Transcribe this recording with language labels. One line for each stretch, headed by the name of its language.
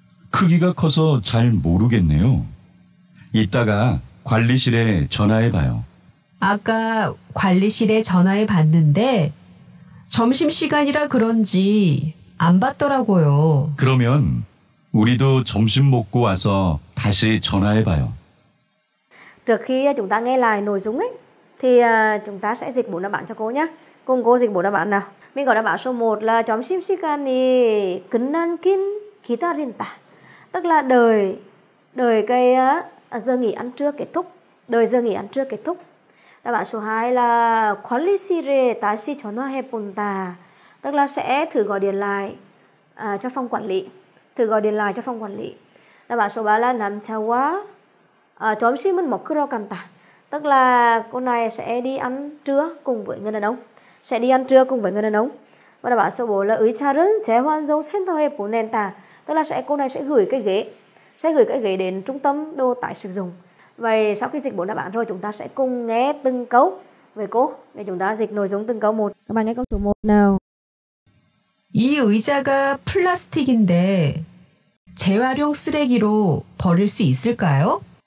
Korean: 크기가 커서 잘 모르겠네요. 이따가 관리실에 전화해봐요. 아까 관리실에 전화해봤는데 점심시간이라 그런지 안 받더라고요. 그러면 우리도 점심 먹고 와서 다시 전화해봐요.
Vietnamese: Trước khi chúng ta nghe lại nội dung ấy, thì chúng ta sẽ dịch 4 đáp án cho cô nhé. Cùng cô dịch 4 đáp án nào. Mình có đáp án số 1 là
Korean: 점심 시간이 끝난 긴 기다린다.
Vietnamese: Tức là đợi cái giờ nghỉ ăn trưa kết thúc. Đợi giờ nghỉ ăn trưa kết thúc. Đáp án số 2 là
Korean: 관리실에 다시 전화해 본다.
Vietnamese: Tức là sẽ thử gọi điện lại cho phòng quản lý. Thử gọi điện lại cho phòng quản lý. Đáp án số 3 là
Korean: 남자와 점심은 먹으러 간다.
Vietnamese: Tức là cô này sẽ đi ăn trưa cùng với người đàn ông. Sẽ đi ăn trưa cùng với người đàn ông. Và đáp án số 4 là
Korean: 의자를 재환송 센터에 보낸다.
Vietnamese: Tức là cô này sẽ gửi cái ghế. Sẽ gửi cái ghế đến trung tâm đồ tái sử dụng. Vậy sau khi dịch 4 đáp án rồi, chúng ta sẽ cùng nghe từng câu về cô để chúng ta dịch nội dung từng câu một. Các bạn nghe câu số 1 nào.
Korean: 이 의자가 플라스틱인데 재활용 쓰레기로 버릴 수 있을까요?